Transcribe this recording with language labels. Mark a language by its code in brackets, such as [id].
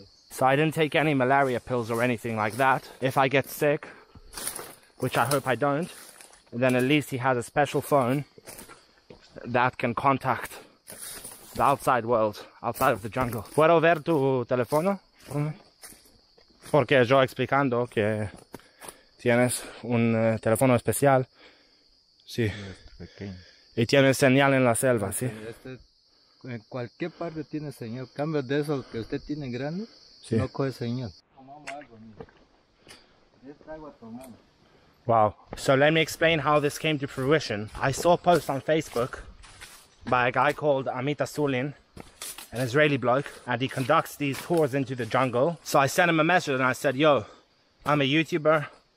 [en] So I didn't take any malaria pills or anything like that. If I get sick, which I hope I don't, then at least he has a special phone that can contact the outside world, outside of the jungle. [es] ¿Puedo ver tu teléfono? Porque yo explicando que tienes un teléfono especial. Sí. Pequeño. Y tiene señal en la selva, sí. En cualquier parte tiene señal. Cambio de esos que usted tiene grande, sí, no coge señal. Tomamos algo, ¿no? Wow. [en] So let me explain how this came to fruition. I saw a post on Facebook by a guy called Amit Asulin, an Israeli bloke, and he conducts these tours into the jungle. So I sent him a message and I said, yo, I'm a YouTuber.